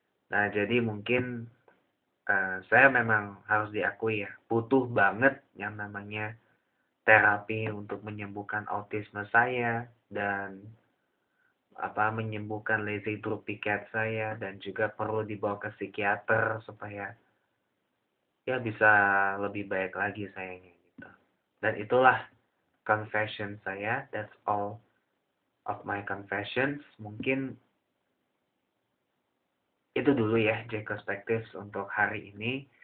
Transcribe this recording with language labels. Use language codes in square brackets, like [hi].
[id] Nah, jadi mungkin saya memang harus diakui ya, butuh banget yang namanya terapi untuk menyembuhkan autisme saya dan apa menyembuhkan lazy duplicate saya dan juga perlu dibawa ke psikiater supaya ya bisa lebih baik lagi sayangnya. Dan itulah confession saya. [en] That's all of my confessions. [id] Mungkin itu dulu ya JCOSPECTIVES untuk hari ini.